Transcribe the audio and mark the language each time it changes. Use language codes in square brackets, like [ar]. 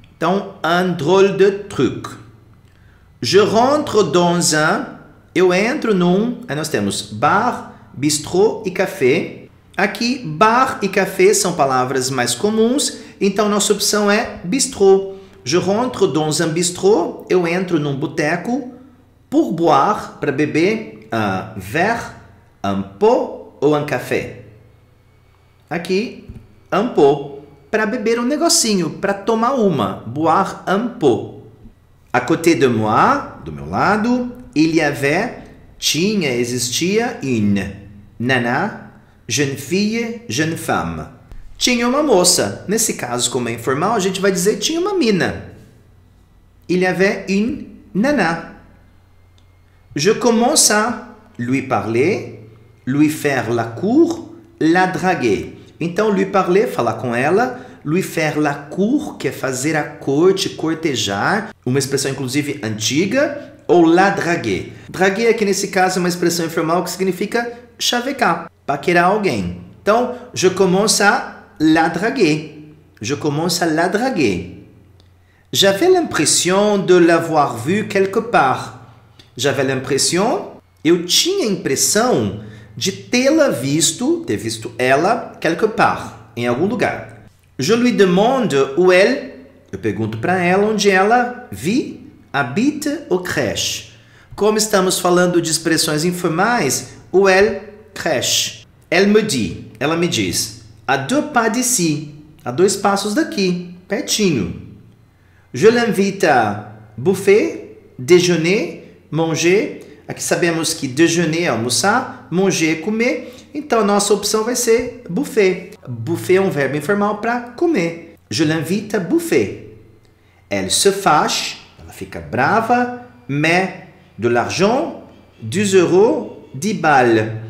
[fr] Então, un drôle de truc. Je rentre dans un... [pt] Eu entro num... Aí nós temos bar, bistrot e café. Aqui, bar e café são palavras mais comuns, então nossa opção é bistrot. [fr] Je rentre dans un bistrot, [pt] eu entro num boteco, [fr] pour boire, [pt] para beber, [fr] un verre, un pot ou un café. [pt] Aqui, un pot, para beber um negocinho, para tomar uma, [fr] boire un pot. À côté de moi, [pt] do meu lado, [fr] il y avait, [pt] tinha, existia, [fr] une nana, jeune fille, jeune femme. [pt] Tinha uma moça. Nesse caso, como é informal, a gente vai dizer tinha uma mina. [fr] Il y avait une nana. Je commence à lui parler, lui faire la cour, la draguer. [pt] Então, [fr] lui parler, [pt] falar com ela, [fr] lui faire la cour, [pt] que é fazer a corte, cortejar, uma expressão, inclusive, antiga, ou [fr] la draguer. [pt] Draguer, aqui nesse caso, é uma expressão informal que significa chavecar, paquerar alguém. [fr] Então, je commence à la draguer. Je commence à la draguer. J'avais l'impression de l'avoir vu quelque part. J'avais l'impression. [pt] Eu tinha a impressão de tê-la visto, ter visto ela, [fr] quelque part, [pt] em algum lugar. [fr] Je lui demande où elle. [pt] Eu pergunto para ela onde ela vit, habite ou crèche. Como estamos falando de expressões informais, [fr] où elle crèche. Elle me dit. [pt] Ela me diz. [fr] À deux pas d'ici, [pt] a dois passos daqui, pertinho. [fr] Je l'invite à buffet, déjeuner, manger. [pt] Aqui sabemos que déjeuner é almoçar, manger é comer. Então, a nossa opção vai ser buffet. Buffet é um verbo informal para comer. [fr] Je l'invite à buffet. Elle se fâche, [pt] ela fica brava, [fr] met de l'argent, 10 euros, 10 balles.